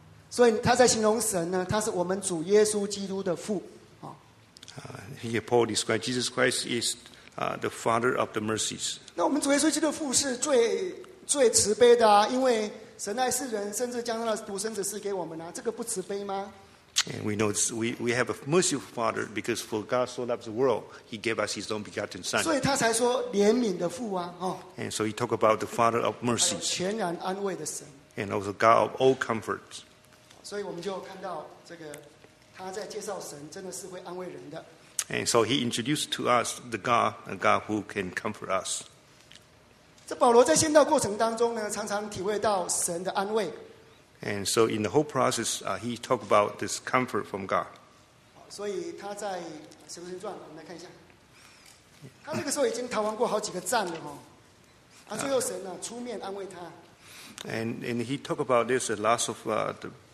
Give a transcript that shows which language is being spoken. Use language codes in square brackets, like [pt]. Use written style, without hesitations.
[zh] 所以他在形容神呢，他是我们主耶稣基督的父啊。 [en] Here Paul describes Jesus Christ is the Father of the mercies. [zh] 那我们主耶稣基督的父是最慈悲的啊，因为神爱世人，甚至将他的独生子赐给我们啊，这个不慈悲吗 [en] ？And we know we have a merciful Father because for God so loved the world, He gave us His own begotten Son. [zh] 所以他才说怜悯的父啊，哦。 [en] And so He talked about the Father of mercies. [zh] 全然安慰的神。 [en] And also God of all comforts. [zh] 所以我们就看到这个他在介绍神真的是会安慰人的。 [en] And so he introduced to us the God, a God who can comfort us. [zh] 这保罗在宣道过程当中呢，常常体会到神的安慰。 [en] And so in the whole process, he talked about this comfort from God. [zh] 所以他在《使徒行传》，我们来看一下，他这个时候已经逃亡过好几个站了哈、哦，他最后神呢、出面安慰他。 [en] And he talked about this a lot of the.